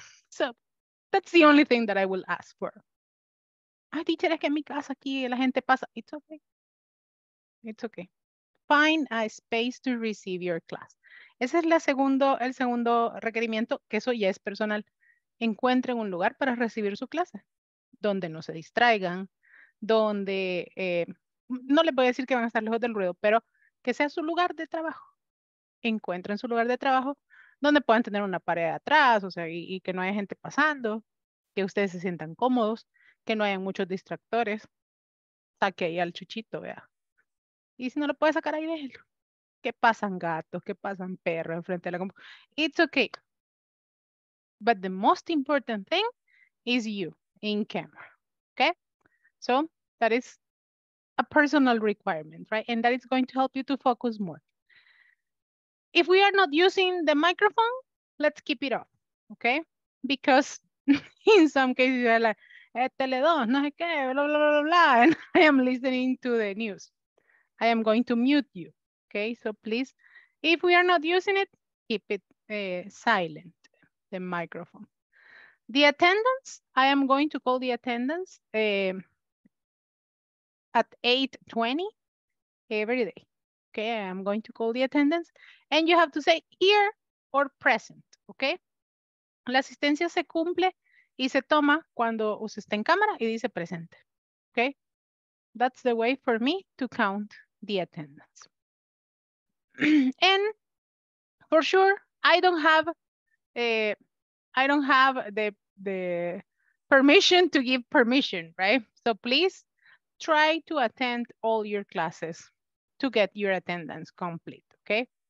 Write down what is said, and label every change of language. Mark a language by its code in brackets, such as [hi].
[en] So, that's the only thing that I will ask for. [es] Ay, teacher, es que en mi casa aquí la gente pasa. [en] It's okay. It's okay. Find a space to receive your class. [es] Ese es el segundo requerimiento, que eso ya es personal. Encuentren un lugar para recibir su clase, donde no se distraigan, donde, no les voy a decir que van a estar lejos del ruido, pero que sea su lugar de trabajo. Encuentren su lugar de trabajo donde puedan tener una pared atrás, o sea, y que no haya gente pasando, que ustedes se sientan cómodos, que no haya muchos distractores. Saque ahí al chuchito, vea. Y si no lo puede sacar ahí, déjelo. Que pasan gatos, que pasan perros enfrente de la compu. [en] It's okay. But the most important thing is you in camera, okay? So that is a personal requirement, right? And that is going to help you to focus more. If we are not using the microphone, let's keep it off, okay? Because in some cases you are like, [es] tele dos, no sé qué, [en] blah, blah, blah, blah, and I am listening to the news. I am going to mute you, okay? So please, if we are not using it, keep it silent. the microphone. The attendance, I am going to call the attendance at 8:20 every day. Okay, I am going to call the attendance. And you have to say here or present, okay? [es] La asistencia se cumple y se toma cuando usted está en cámara y dice presente, okay? [en] That's the way for me to count the attendance. And for sure, I don't have the permission to give permission, right? So please try to attend all your classes to get your attendance complete, okay?